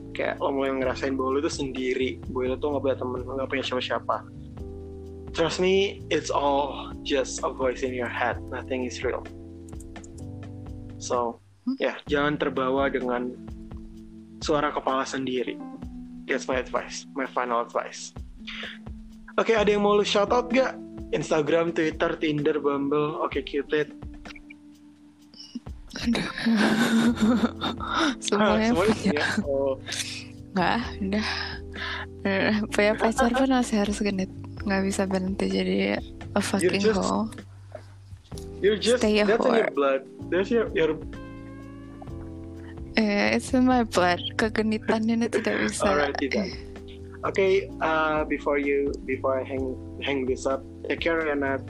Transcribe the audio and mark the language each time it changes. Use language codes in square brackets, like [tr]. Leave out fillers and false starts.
[id] Kayak lo mulai ngerasain bahwa lo itu sendiri, bahwa lo tuh gak punya temen, gak punya siapa-siapa. [en] Trust me, it's all just a voice in your head. Nothing is real. [id] So, yeah, jangan terbawa dengan suara kepala sendiri. [en] That's my advice, my final advice. Okay, [id] ada yang mau lu shout out gak? [en] Instagram, Twitter, Tinder, Bumble, OkCupid. [id] Semuanya. Nggak, udah. Punya pacar pun masih harus genit. Nggak bisa berhenti jadi [en] a fucking hole. You're just, stay a whore. That's in your blood. That's your... Yeah, it's in my blood. [id] Kegenitan ini tidak bisa. [en] Alright, [id] tidak. [en] Okay, before I hang this up, take care, Renat.